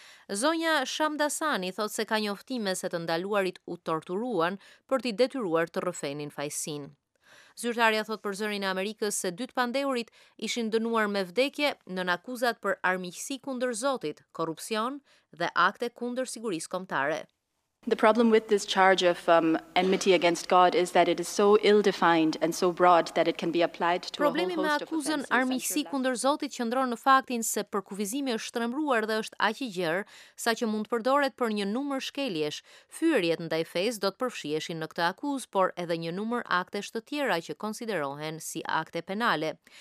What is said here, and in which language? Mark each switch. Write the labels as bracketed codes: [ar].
[sq] Zonja Shamdasani thot se ka njoftime se të ndaluarit u torturuan për t'i detyruar të rrëfenin fajsin. Zyrtarja thot për zërin e Amerikës se dy të pandehurit ishin dënuar me vdekje nën akuzat për armiqësi kundër Zotit, korrupsion dhe akte kundër sigurisë kombëtare. [en] The problem with this charge of enmity against God is that it is so ill-defined and so broad that it can be applied to [sq] Problemi [en] a whole host of offenses. [sq] Problemi me akuzën armiqësi kundër Zotit qëndron në faktin se përkufizimi është shtrembruar dhe është aq i gjerë sa që mund të përdoret për një numër shkeljesh. Fyerjet ndaj fesë do të përfshiheshin në këtë akuzë, por edhe një numër aktesh të tjera që konsiderohen si akte penale.